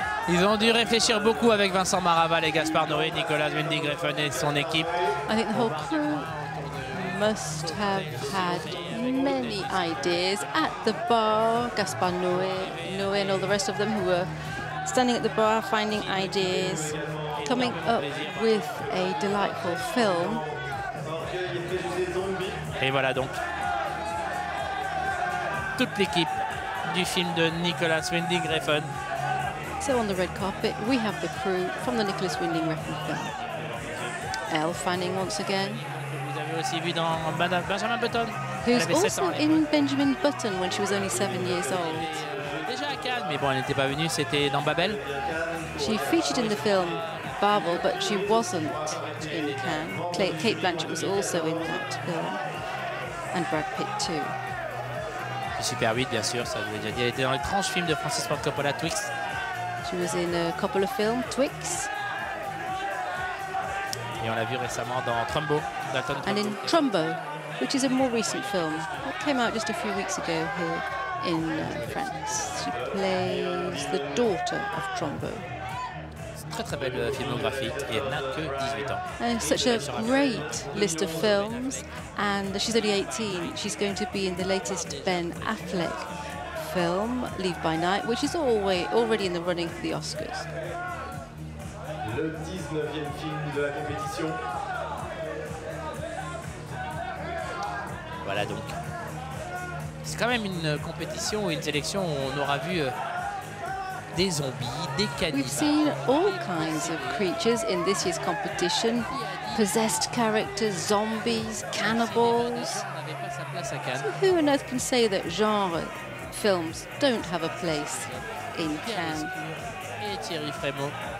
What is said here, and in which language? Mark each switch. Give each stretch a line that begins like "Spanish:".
French: Ils ont dû réfléchir beaucoup avec Vincent Maraval et Gaspard Noé, Nicolas Wendy Griffin et son équipe.
English: I think the whole crew must have had many ideas at the bar. Gaspard Noé and all the rest of them who were standing at the bar finding ideas, coming up with a delightful film.
French: Et voilà donc toute l'équipe du film de Nicolas Winding Refn.
English: So on the red carpet, we have the crew from the Nicolas Winding Refn film. Elle Fanning once again.
French: Vous avez aussi vu dans Benjamin Button.
English: Who's also in Benjamin Button when she was only 7 years old.
French: Déjà à Cannes, mais bon, elle n'était pas venue, c'était dans Babel.
English: She featured in the film Babel, but she wasn't in Cannes. Kate Blanchett was also in that film. And Brad Pitt too.
French: Super 8, bien sûr, ça vous l'ai déjà dit. Elle était dans l'étrange film de Francis Ford Coppola, Twix.
English: She was in a couple of films, Twix.
French: Et on l'a vu récemment dans Trumbo, Dalton Trumbo.
English: And in Trumbo, which is a more recent film. It came out just a few weeks ago here in France. She plays the daughter of Trumbo.
French: Très très belle filmographie et elle n'a que 18 ans.
English: Such a great list of films and she's only 18. She's going to be in the latest Ben Affleck film, Leave by Night, which is already in the running for the Oscars.
French: Le 19e film de la compétition. Voilà donc. C'est quand même une compétition ou une sélection où on aura vu des zombies, des cannibales.
English: We've seen all kinds of creatures in this year's competition. Possessed characters, zombies, cannibals. So who on earth can say that genre films don't have a place in Cannes?
French: Et Thierry Frémaux.